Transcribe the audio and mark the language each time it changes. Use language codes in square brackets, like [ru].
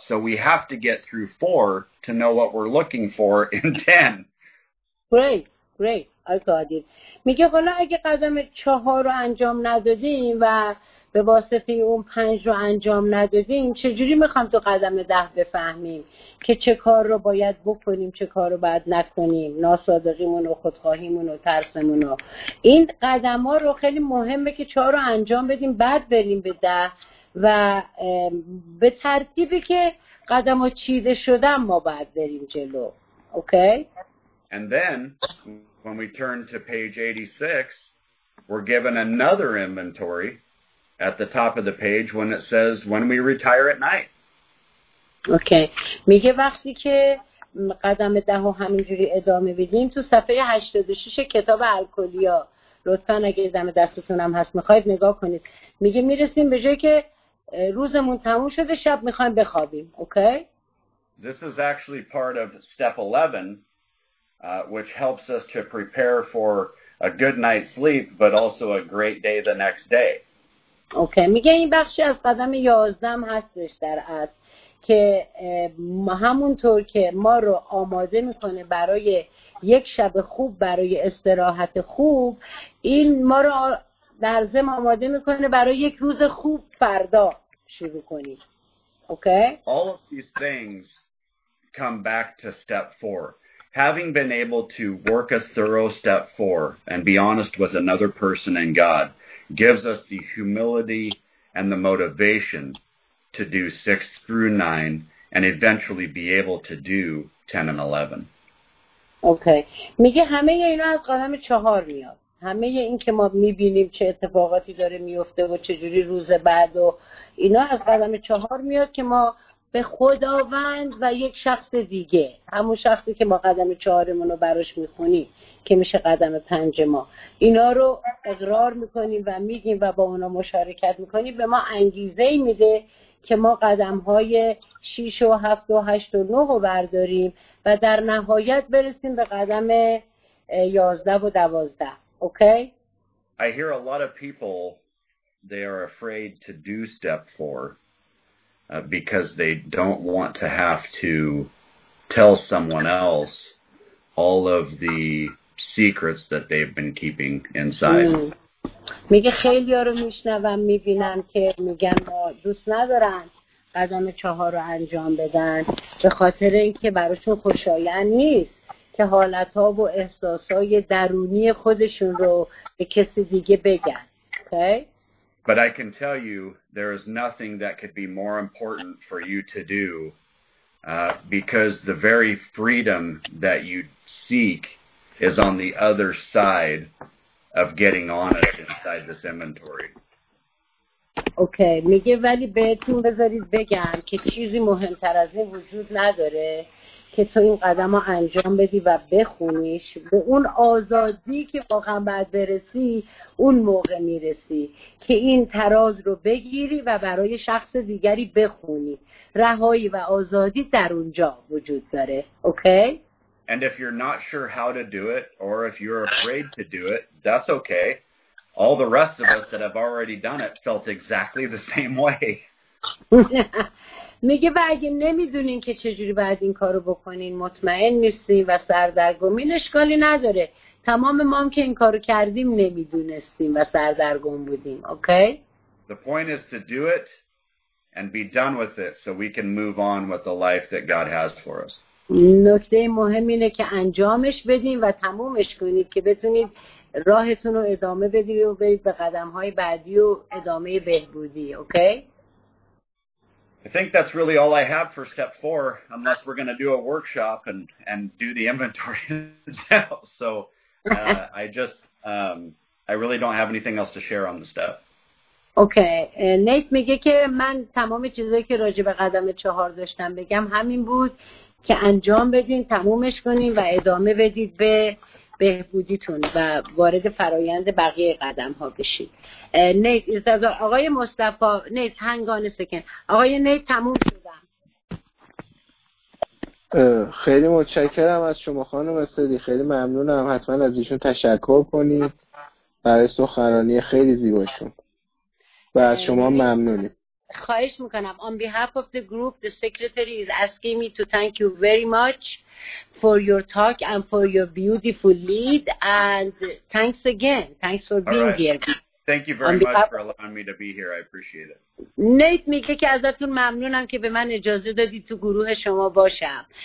[en] So we have to get through four to know what we're looking for in 10. Great. I got it. [fa] میگه حالا اگه قدم 4 رو انجام ندادیم و به واسطه اون 5 رو انجام ندادیم چجوری میخوام تو قدم 10 بفهمیم که چه کار رو باید بکنیم چه کار رو باید نکنیم ناصادقیمون و خودخواهیمون و ترسمون و این قدم ها رو خیلی مهمه که 4 رو انجام بدیم بعد بریم به 10 و به ترتیبی که قدم ها چیده شدن ما بعد بریم جلو. [en] Okay? And then when we turn to page 86 we're given another inventory at the top of the page when it says when we retire at night. Okay. [fa] میگه وقتی که قدم 10 همینجوری ادامه بدیم تو صفحه 86 کتاب الکلیا لطفاً اگه دم دستتون هم هست میخواید نگاه کنید. میگه میرسیم به جایی که روزمون تموم شده شب میخوایم بخوابیم. [en] Okay? This is actually part of step 11. Which helps us to prepare for a good night's sleep, but also a great day the next day. Okay, [fa] میگه این بخشی از قدم 11 هستش در اصل که همونطور که ما رو آماده میکنه برای یک شب خوب برای استراحت خوب این ما رو در ضمن آماده میکنه برای یک روز خوب فردا شروع کنیم. Okay? [en] All of these things come back to step 4. Having been able to work a thorough step 4 and be honest with another person and God gives us the humility and the motivation to do 6 through 9 and eventually be able to do 10 and 11. Okay. [fa] میگه همه اینا از قدم 4 میاد. همه این که ما میبینیم چه اتفاقاتی داره میفته و چه جوری روز بعد و اینا از قدم 4 میاد که ما به خداوند و یک شخص دیگه همون شخصی که ما قدم 4مون رو براش میخونیم که میشه قدم 5 ما اینا رو اقرار میکنیم و میگیم و با اونا مشارکت میکنیم به ما انگیزه میده که ما قدم های 6 و 7 و 8 و 9 رو برداریم و در نهایت برسیم به قدم 11 و 12. [en] Okay? I hear a lot of people they are afraid to do step 4 because they don't want to have to tell someone else all of the secrets that they've been keeping inside. [fa] میگه خیلی ها رو میشنوم میبینم که میگن ما دوست ندارن قدم 4 رو انجام بدن به خاطر اینکه براشون خوشایند نیست که حالت ها و احساس های درونی خودشون رو به کسی دیگه بگن. [en] Okay? But I can tell you there is nothing that could be more important for you to do because the very freedom that you seek is on the other side of getting honest inside this inventory. Okay, [fa] میگه ولی بهتون بذارید بگم که چیزی مهمتر از این وجود نداره که تو این قدم رو انجام بدی و بخونیش به اون آزادی که واقعا باید برسی اون موقع میرسی که این تراز رو بگیری و برای شخص دیگری بخونی رهایی و آزادی در اونجا وجود داره. [en] Okay? And if you're not sure how to do it or if you're afraid to do it, that's okay. All the rest of us that have already done it felt exactly the same way. [fa] میگه و اگه نمیدونین که چجوری باید این کارو بکنین، مطمئن نیستین و سردرگمین، اشکالی نداره. تمام ما هم که این کارو کردیم نمیدونستیم و سردرگم بودیم. [en] Okay? The point is to do it and be done with it so we can move on with the life that God has for us. [fa] نکته مهم اینه که انجامش بدین و تمومش کنید که بتونید راهتون رو ادامه بدید و برید به قدم‌های بعدی و ادامه بهبودی. [en] Okay? I think that's really all I have for step four, unless we're going to do a workshop and do the inventory now. So I really don't have anything else to share on the step. Okay. [fa] Nate میگه که من تمام چیزایی که راجع به قدم چهار داشتم بگم همین بود که انجام بدین، تمومش کنین و ادامه بدید به بهبودیتون و وارد فرایند بقیه قدم ها بشید. نیت از آقای مصطفی. نیت هنگان سکن. آقای نیت تموم شدم. خیلی متشکرم از شما خانم استادی، خیلی ممنونم. حتما از ایشون تشکر کنیم برای سخنرانی خیلی زیباشون و از شما ممنونیم. خواهش میکنم. [en] On behalf of the group, the secretary is asking me to thank you very much for your talk and for your beautiful lead. And thanks again. Thanks for being here. Thank you very much for allowing me to be here. I appreciate it. [fa] نیت میگه که ازتون ممنونم که به من اجازه دادی تو گروه شما باشم.